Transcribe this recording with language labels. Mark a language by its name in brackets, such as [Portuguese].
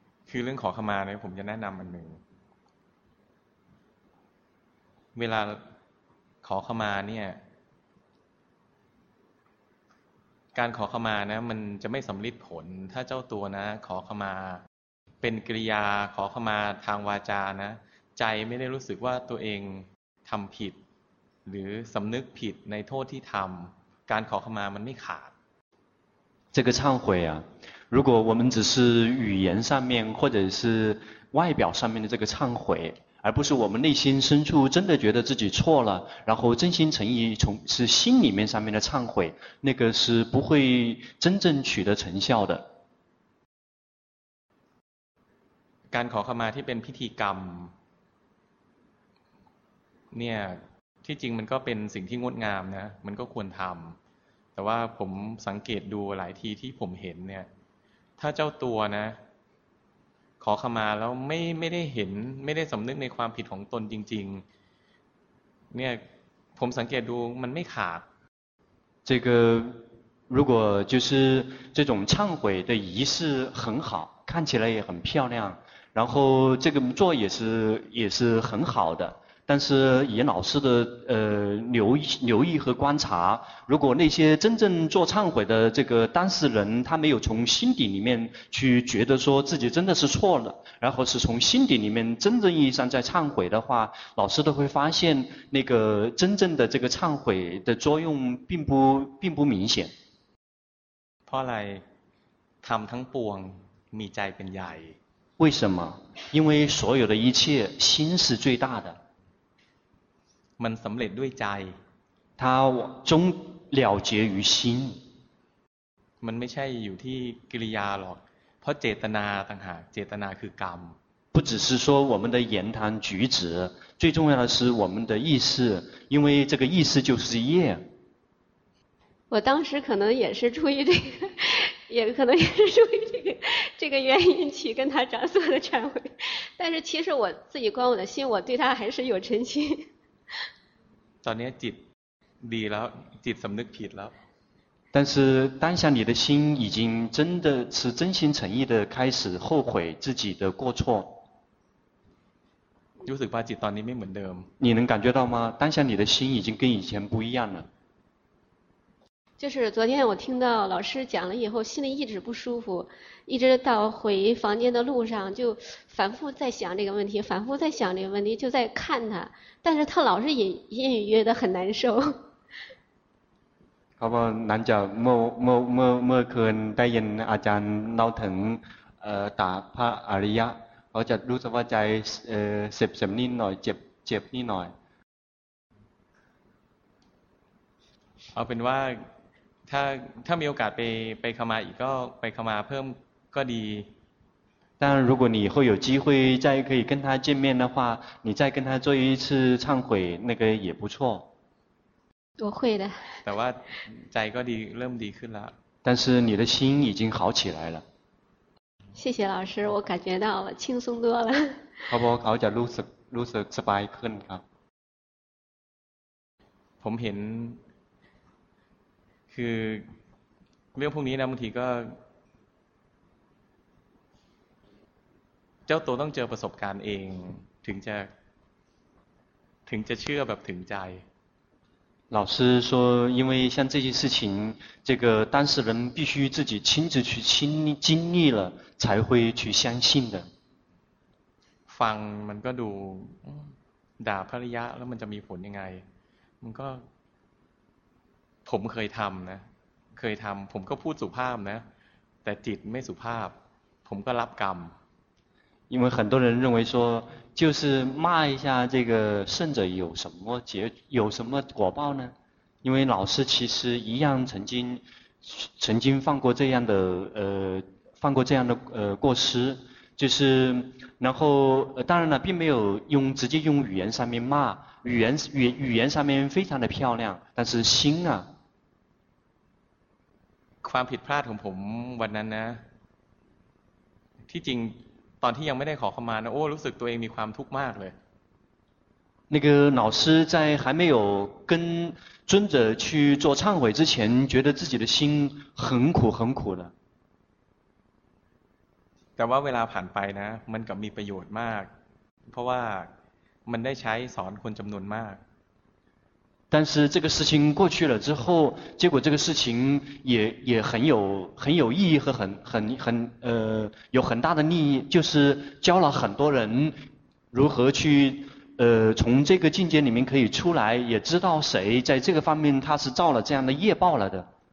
[Thai] คือเรื่องขอขมาเนี่ยผมจะแนะนำอันหนึ่งเวลาขอขมาเนี่ยการขอขมานะมันจะไม่สำลิดผลถ้าเจ้าตัวนะขอขมาเป็นกริยาขอขมาทางวาจานะใจไม่ได้รู้สึกว่าตัวเองทำผิดหรือสำนึกผิดในโทษที่ทำการขอขมามันไม่ขาด [Chinese] 这个忏悔啊如果我们只是语言上面或者是外表上面的这个忏悔而不是我们内心深处真的觉得自己错了然后真心诚意从是心里面上面的忏悔那个是不会真正取得成效的 [Thai] การขอขมาที่เป็นพิธีกรรมเนี่ยที่จริงมันก็เป็นสิ่งที่งดงามนะมันก็ควรทำแต่ว่าผมสังเกตดูหลายทีที่ผมเห็นเนี่ยถ้าเจ้าตัวนะขอขมาแล้วไม่ได้เห็นไม่ได้สำนึกในความผิดของตนจริงๆเนี่ยผมสังเกตดูมันไม่ขาด [Chinese] 这个如果就是这种忏悔的仪式很好看起来也很漂亮然后这个做也是很好的但是以老师的留意和观察如果那些真正做忏悔的这个当事人他没有从心底里面去觉得说自己真的是错了然后是从心底里面真正意义上在忏悔的话老师都会发现那个真正的这个忏悔的作用并不明显 [Thai] เพราะอะไร ทำทั้งปวง มีใจเป็นใหญ่ [Chinese] 为什么因为所有的一切心是最大的 [Thai] มันสำเร็จด้วยใจ [Chinese] 它终了结于心 [Thai] มันไม่ใช่อยู่ที่กิริยาหรอกเพราะเจตนาต่างหากเจตนาคือกรรม [Chinese] 不只是说我们的言谈举止最重要的是我们的意识因为这个意识就是业我当时可能也是出于这个也可能也是出于这个原因去跟他长所的忏悔但是其实我自己观我的心我对他还是有嗔心 [Thai] ตอนนี้จิตดีแล้วจิตสำนึกผิดแล้ว [Chinese] 但是当下你的心已经真的是真心诚意的开始后悔自己的过错 [Thai] รู้สึกว่าจิตตอนนี้ไม่เหมือนเดิม [Chinese] 你能感觉到吗当下你的心已经跟以前不一样了就是昨天我听到老师讲了以后，心里一直不舒服，一直到回房间的路上就反复在想这个问题，反复在想这个问题，就在看他，但是他老是隐隐约约的很难受。 [Thai] เขาบอกหลังจากเมื่อคืนได้ยินอาจารย์เล่าถึงตาพระอริยะเขาจะรู้สึกว่าใจเสียบๆนิดหน่อยเจ็บนิดหน่อย เอาเป็นว่าถ้ามีโอกาสไปขมาอีกก็ไปขมาเพิ่มก็ดี [Chinese] 但如果你以后有机会再可以跟他见面的话你再跟他做一次忏悔那个也不错我会的 [Thai] แต่ว่าใจก็ดีเริ่มดีขึ้นแล้ว [Chinese] 但是你的心已经好起来了谢谢老师我感觉到了轻松多了 [Thai] เขาบอกเขาจะรู้สึกสบายขึ้นครับ ผมเห็นคือเรื่องพวกนี้นะบางทีก็เจ้าตัวต้องเจอประสบการณ์เองถึงจะเชื่อแบบถึงใจ [Chinese] 老师说因为像这些事情这个当事人必须自己亲自去经历了才会去相信的 [Thai] ฟังมันก็ดูด่าภริยาแล้วมันจะมีผลยังไงมันก็ผมเคยทำนะเคยทำผมก็พูดสุภาพนะแต่จิตไม่สุภาพผมก็รับกรรม [Chinese] 因为很多人认为说就是骂一下这个圣者有什么结有什么果报呢因为老师其实一样曾经犯过这样的过失就是然后当然了并没有用直接用语言上面骂语言上面非常的漂亮但是心啊 [Thai] ความผิดพลาดของผมวันนั้นนะที่จริงตอนที่ยังไม่ได้ขอขมานะโอ้รู้สึกตัวเองมีความทุกข์มากเลย [Chinese] 那个老师在还没有跟尊者去做忏悔之前觉得自己的心很苦很苦的 [Thai] แต่ว่าเวลาผ่านไปนะมันก็มีประโยชน์มากเพราะว่ามันได้ใช้สอนคนจำนวนมาก [Chinese] 但是这个事情过去了之后结果这个事情也很有意义和很有很大的利益就是教了很多人如何去从这个境界里面可以出来也知道谁在这个方面他是造了这样的业报了的